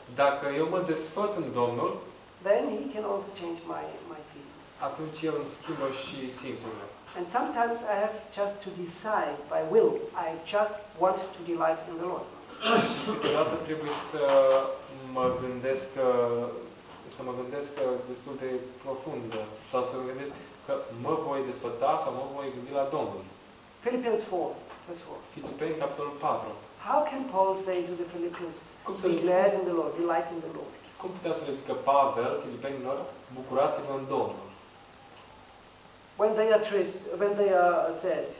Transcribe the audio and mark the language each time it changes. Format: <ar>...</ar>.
<ro>Dacă eu mă desfăt în Domnul,</ro> <en>then he can also change my feelings.</en> <ro>Atunci el îmi schimbă și simțurile.</ro> <en>And sometimes I have just to decide by will. I just want to delight in the Lord.</en> <ro>Și câteodată trebuie să mă gândesc destul de profund, sau să mă gândesc că mă voi desfăta sau mă voi gândi la Domnul.</ro> <en>Philippians 4.</en> <ro>Filipeni capitolul 4.</ro> <en>How can Paul say to the Philippians, be glad in the Lord, delight in the Lord?</en> <ro>Cum putea să le zică Pavel filipenilor, bucurați-vă în Domnul?</ro> <en>When they are</en> <ro>trist,</ro> <en>when they are sad.</en>